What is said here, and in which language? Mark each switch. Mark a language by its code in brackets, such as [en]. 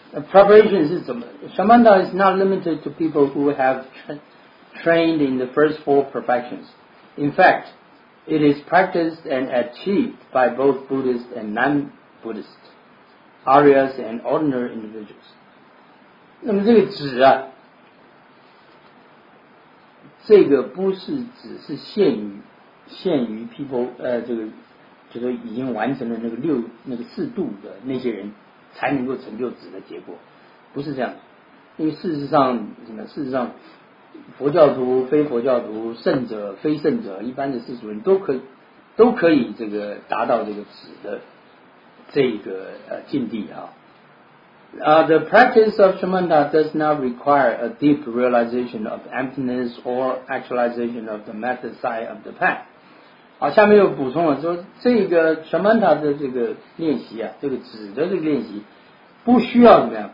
[en] Preparation [zh] 是什么 [en] ？Shamatha is not limited to people who have trained in the first four perfections. In fact, it is practiced and achieved by both Buddhists and non-Buddhists, Aryas and ordinary individuals. [zh] 那么这个指啊，这个不是只是限于 people 这个就是已经完成了那个四度的那些人。才能够成就止的结果，不是这样。因为事实上，什么？事实上，佛教徒、非佛教徒、圣者、非圣者，一般的世俗人都可以这个达到这个止的这个境地啊。 [en] The practice of Shamatha does not require a deep realization of emptiness or actualization of the method side of the path。 [zh] 好，下面又补充了说，这个什么他的这个练习啊，这个止的这个练习，不需要怎么样？